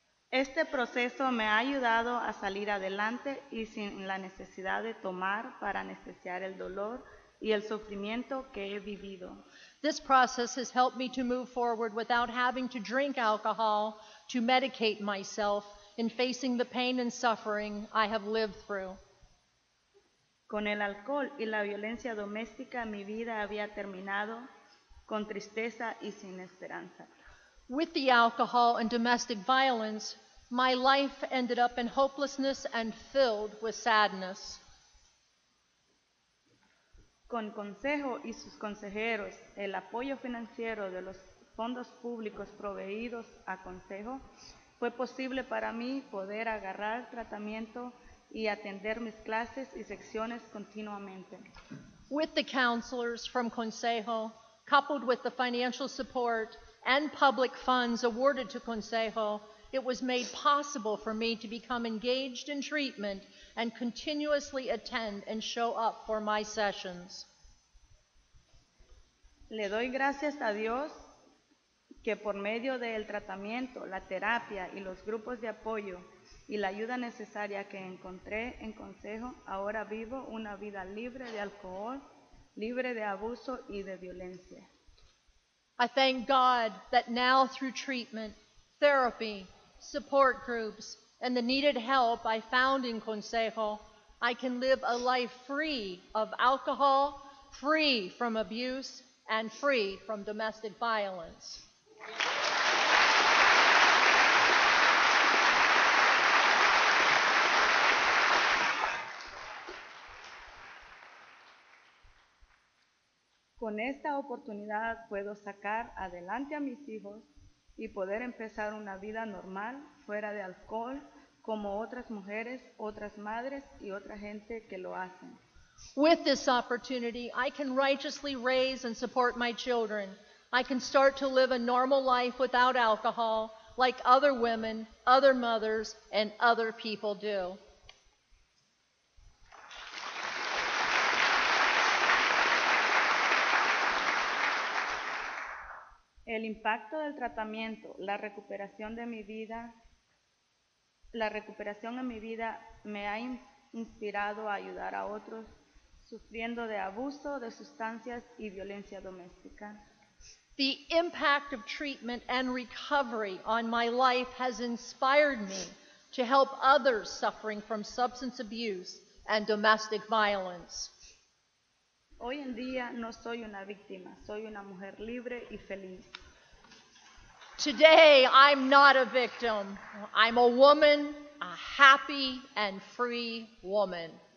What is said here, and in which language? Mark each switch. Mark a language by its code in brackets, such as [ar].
[es] Este proceso me ha ayudado a salir adelante y sin la necesidad de tomar para anestesiar el dolor y el sufrimiento que he vivido. [en] This process has helped me to move forward without having to drink alcohol to medicate myself in facing the pain and suffering I have lived through. [es] Con el alcohol y la violencia doméstica, mi vida había terminado con tristeza y sin esperanza. [en] With the alcohol and domestic violence, my life ended up in hopelessness and filled with sadness. [es] Con consejo y sus consejeros, el apoyo financiero de los fondos públicos proveídos a consejo, fue posible para mí poder agarrar tratamiento y atender mis clases y secciones continuamente. [en] With the counselors from consejo, coupled with the financial support and public funds awarded to Consejo, it was made possible for me to become engaged in treatment and continuously attend and show up for my sessions. [es] Le doy gracias a Dios que por medio del tratamiento, la terapia y los grupos de apoyo y la ayuda necesaria que encontré en Consejo, ahora vivo una vida libre de alcohol, libre de abuso y de violencia. [en] I thank God that now through treatment, therapy, support groups, and the needed help I found in Consejo, I can live a life free of alcohol, free from abuse, and free from domestic violence. [es] Con esta oportunidad puedo sacar adelante a mis hijos y poder empezar una vida normal fuera de alcohol como otras mujeres, otras madres y otra gente que lo hacen. [en] With this opportunity, I can righteously raise and support my children. I can start to live a normal life without alcohol, like other women, other mothers, and other people do. [es] El impacto del tratamiento, la recuperación de mi vida, la recuperación en mi vida me ha inspirado a ayudar a otros sufriendo de abuso de sustancias y violencia doméstica. [en] The impact of treatment and recovery on my life has inspired me to help others suffering from substance abuse and domestic violence. [es] Hoy en día no soy una víctima, soy una mujer libre y feliz. [en] Today I'm not a victim. I'm a woman, a happy and free woman.